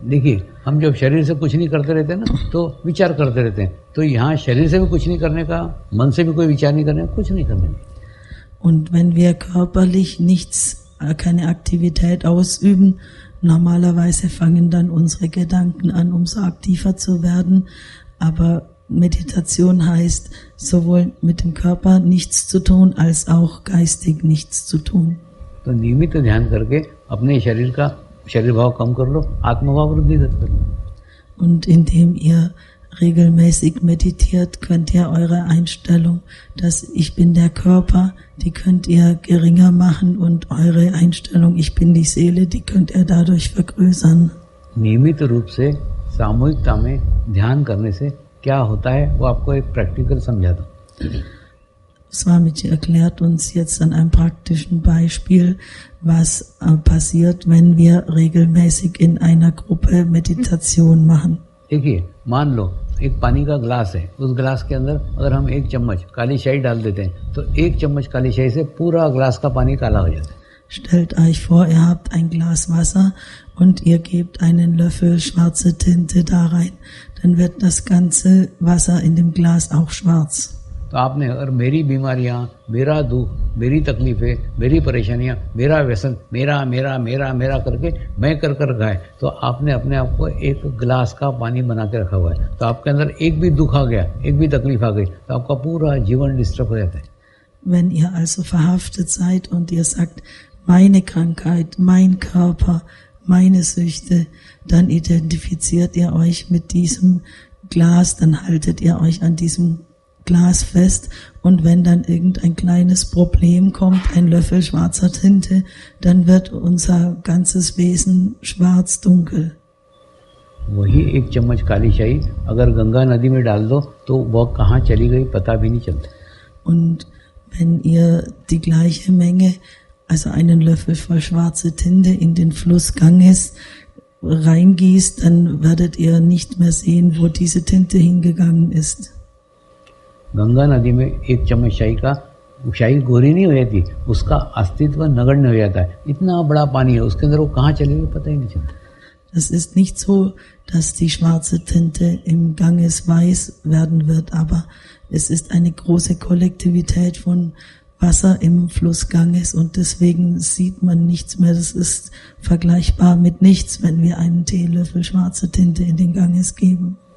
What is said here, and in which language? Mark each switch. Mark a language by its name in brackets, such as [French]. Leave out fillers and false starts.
[Hindi] देखिए हम जब शरीर से कुछ नहीं करते रहते ना तो विचार करते रहते हैं तो यहां शरीर से भी कुछ नहीं करने का मन से भी कोई विचार नहीं करने का कुछ नहीं करने का [German] und wenn wir körperlich nichts keine aktivität ausüben Normalerweise fangen dann unsere Gedanken an, umso aktiver zu werden. Aber Meditation heißt, sowohl mit dem Körper nichts zu tun, als auch geistig nichts zu tun. [Hindi] तो नियमित ध्यान करके अपने शरीर का शरीर भाव कम कर लो, आत्मभाव वृद्धि कर लो. [German] Und indem ihr regelmäßig meditiert, könnt ihr eure Einstellung, dass ich bin der Körper, die könnt ihr geringer machen und eure Einstellung, ich bin die Seele, die könnt ihr dadurch vergrößern. [Hindi] नियमित रूप से सामूहिकता में ध्यान करने से क्या होता है, वो आपको एक प्रैक्टिकल समझा दूँ. [German] Swamiji erklärt uns jetzt an einem praktischen Beispiel, was passiert, wenn wir regelmäßig in einer Gruppe Meditation machen. [Hindi] देखिए मान लो एक पानी का ग्लास है उस ग्लास के अंदर अगर हम एक चम्मच काली शाही डाल देते हैं तो एक चम्मच काली शाही से पूरा ग्लास का पानी काला हो जाता है [German] stellt euch vor ihr habt ein glas wasser und ihr gebt einen löffel schwarze tinte da rein dann wird das ganze wasser in dem glas auch schwarz [Hindi] तो आपने अगर मेरी बीमारियां मेरा दुख मेरी तकलीफें मेरी परेशानियां मेरा व्यसन मेरा मेरा मेरा मेरा करके मैं कर कर गए तो आपने अपने आप को एक ग्लास का पानी बना के रखा हुआ है तो आपके अंदर एक भी दुख आ गया एक भी तकलीफ आ गई तो आपका पूरा जीवन डिस्टर्ब हो जाता है [German] wenn ihr also verhaftet seid und ihr sagt meine krankheit mein körper meine süchte dann identifiziert ihr euch mit diesem glas dann haltet ihr euch an diesem Glas fest und wenn dann irgendein kleines Problem kommt, ein Löffel schwarzer Tinte, dann wird unser ganzes Wesen schwarz-dunkel. [Hindi] वही एक चम्मच काली शाही अगर गंगा नदी में डाल दो तो वो कहाँ चली गई पता भी नहीं चलता. [German] Und wenn ihr die gleiche Menge, also einen Löffel voll schwarze Tinte in den Fluss Ganges reingießt, dann werdet ihr nicht mehr sehen, wo diese Tinte hingegangen ist. [Hindi] Ganga नदी में एक चम्मच शाही का शाही गोरी नहीं हो जाती उसका अस्तित्व नगण्य हो जाता है इतना बड़ा पानी है उसके अंदर वो कहाँ चले गए पता ही नहीं चलता [German] Das ist nicht so, dass die schwarze Tinte im Ganges weiß werden wird, aber es ist eine große Kollektivität von Wasser im Fluss Ganges und deswegen sieht man nichts mehr. Das ist vergleichbar mit nichts, wenn wir einen Teelöffel schwarze Tinte in den Ganges geben.